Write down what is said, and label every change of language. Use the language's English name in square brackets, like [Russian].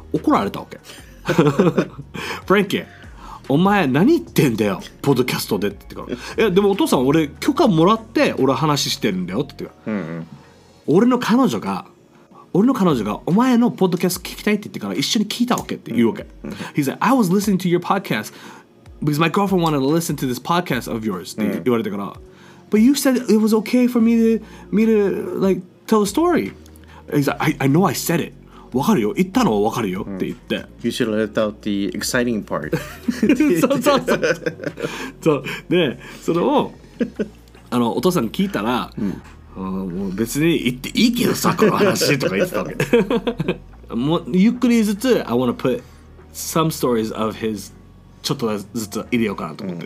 [Japanese] 怒られたわけフランキーお前何言ってんだよポッドキャストでって言ってから、いやでもお父さん俺許可もらって俺話してるんだよって言って、うんうん、俺の彼女がお前のポッドキャスト聞きたいって言ってから一緒に聞いたわけって言うわけ、うんうん、 [English] He's like I was listening to your podcast because my girlfriend wanted to listen to this podcast of yours [Japanese] って言われてから、うん、 [English] But you said it was okay for me to like tell a story. He's like I know I said it [Japanese] 分かるよ、行ったのは分かるよって言って、 [English] うん、You should let out the exciting part [Japanese] そうそうそうそう、でそれをあのお父さん聞いたら、うん、あもう別に行っていいけどさこの話とか言ってたわけもうゆっくりずつ [English] I wanna put some stories of his [Japanese] ちょっとずつ入れようかなと思って、